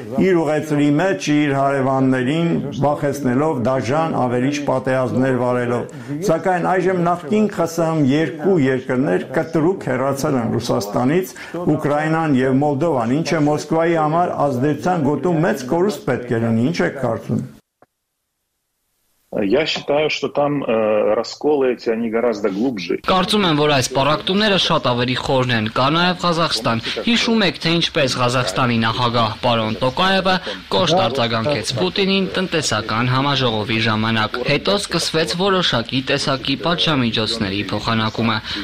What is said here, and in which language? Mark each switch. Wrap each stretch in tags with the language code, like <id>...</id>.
<hy>իր ուղեծրի մեջ, իր հարևաններին վախեցնելով, դաժան ավերիչ պատերազմներ վարելով։ Սակայն այժմ նախկին ԽՍՀՄ երկու երկրներ կտրուկ հեռացել են Ռուսաստանից, Ուկրաինան և Մոլդովան, ինչ է Մոսկվայի համար ազդեցության գոտում մեծ կորուստ պետք է լինի, ինչ է կարծում։</hy> <ru>Я считаю, что там расколы эти они гораздо глубже.</ru> <hy>Կարծում եմ, որ այս պարակտումները շատ ավելի խորն են, կա նաև Ղազախստան։ Հիշում եք, թե ինչպես Ղազախստանի նախագահ պարոն Տոկաևը կոշտ արձագանքեց Պուտինին տնտեսական համաժողովի ժամանակ։ Հետո սկսվեց որոշակի տեսակի պատժամիջոցների փոխանակումը։</hy>